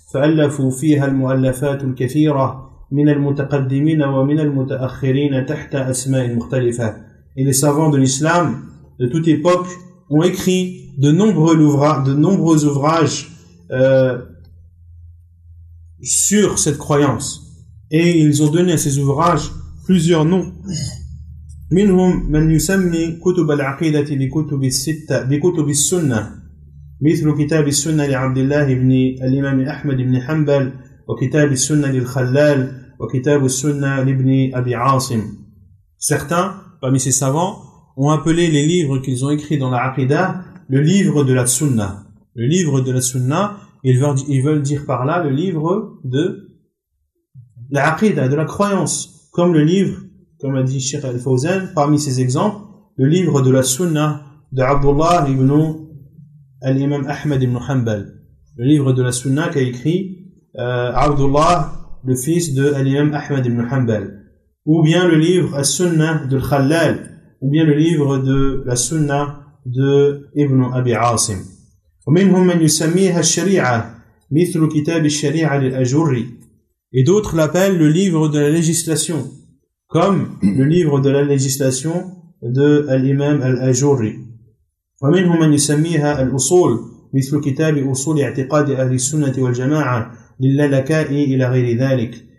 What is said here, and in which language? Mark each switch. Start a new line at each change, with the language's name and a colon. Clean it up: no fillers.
Arabic: فألفوا فيها المؤلفات الكثيرة من المتقدمين ومن المتأخرين تحت أسماء مختلفة.
French: Et les savants de l'islam de toute époque ont écrit de nombreux ouvrages sur cette croyance, et ils ont donné à ces ouvrages plusieurs noms.
Arabic: منهم من يسمي كتب العقيدة بكتب الستة بكتب السنة مثل كتاب السنة لعبد الله بن الإمام أحمد بن حنبل وكتاب السنة للخلال وكتاب السنة لابن أبي عاصم.
French: Certains parmi ces savants ont appelé les livres qu'ils ont écrits dans la Aqida le livre de la Sunna. Le livre de la Sunna, ils veulent dire par là le livre de la Aqida, de la croyance, comme le livre, comme a dit Cheikh Al-Fawzan, parmi ces exemples, le livre de la Sunna de Abdullah ibn Al-Imam Ahmad ibn Hanbal. Le livre de la Sunna qu'a écrit Abdullah, le fils de Al-Imam Ahmad ibn Hanbal. Ou bien le livre As-Sunna de Al-Khalal. Ou bien le livre de la Sunna de Ibn Abi Asim.
Arabic: ومنهم من يسميها الشريعة مثل كتاب الشريعة للأجري.
French: Et d'autres l'appellent le livre de la législation, comme le livre de la législation de Al-Imam Al-Ajuri.
Arabic: ومنهم من يسميها الأصول مثل كتاب أصول اعتقاد أهل السنة والجماعة للالكائي إلى غير ذلك.